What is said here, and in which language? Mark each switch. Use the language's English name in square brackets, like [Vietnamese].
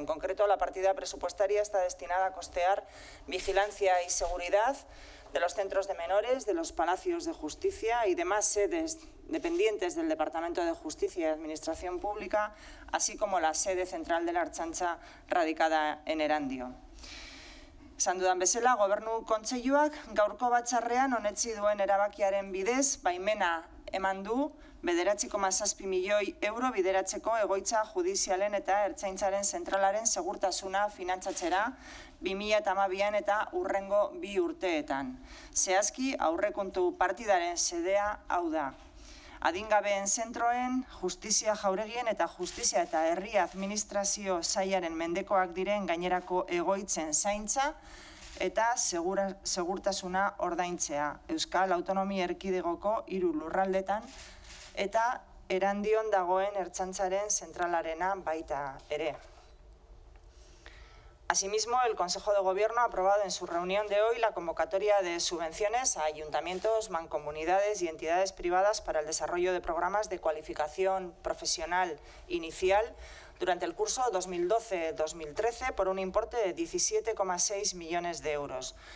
[Spanish] En concreto, la partida presupuestaria está destinada a costear vigilancia y seguridad de los centros de menores, de los palacios de justicia y demás sedes dependientes del Departamento de Justicia y Administración Pública, así como la sede central de la Ertzaintza radicada en Erandio. [Basque] Esan dudan bezala, Gobernu Kontseiluak gaurko batzarrean onetsi duen erabakiaren bidez, baimena eman du 9,7 milioi euro bideratzeko egoitza judizialen eta Ertzaintzaren zentralaren segurtasuna finantzatzera 2012an eta urrengo bi urteetan. Zehazki, aurrekontu partidaren sedea hau da. Adingabeen zentroen, justizia jauregien eta justizia eta herri administrazio sailaren mendekoak diren gainerako egoitzen zaintza eta segurtasuna ordaintzea. Euskal Autonomia Erkidegoko hiru lurraldetan eta Erandion dagoen Ertzaintzaren zentralarena baita ere. [Spanish] Asimismo, el Consejo de Gobierno ha aprobado en su reunión de hoy la convocatoria de subvenciones a ayuntamientos, mancomunidades y entidades privadas para el desarrollo de programas de cualificación profesional inicial durante el curso 2012-2013 por un importe de 17,6 millones de euros.